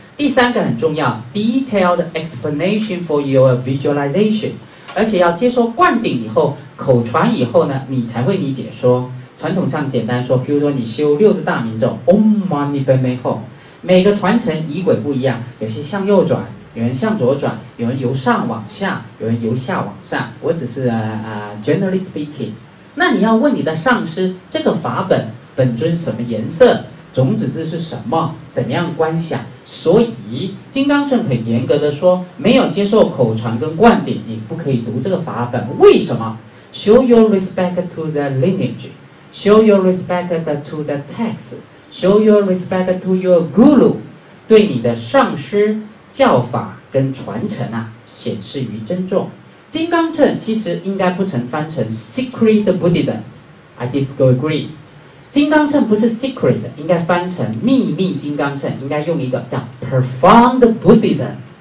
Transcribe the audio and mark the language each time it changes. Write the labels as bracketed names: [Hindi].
[Chinese] 第三个很重要 ， [English] detailed explanation for your visualization， [Chinese] 而且要接受灌顶以后，口传以后呢，你才会理解说。传统上简单说，比如说你修六字大明咒 Om Mani Padme Hum， 每个传承仪轨不一样，有些向右转，有人向左转，有人由上往下，有人由下往上。我只是 [English] generally speaking。 [Chinese] 那你要问你的上师，这个法本本尊什么颜色，种子字是什么，怎样观想。所以金刚乘很严格的说，没有接受口传跟灌顶你不可以读这个法本。为什么？ [English] Show your respect to the lineageShow your respect to the text. Show your respect to your guru. [Chinese] 对你的上师教法跟传承啊，显示于尊重。金刚乘其实应该不曾翻成 [English] secret Buddhism. I disagree. [Chinese] 金刚乘不是 secret， 应该翻成秘密金刚乘，应该用一个叫 [English] profound Buddhism。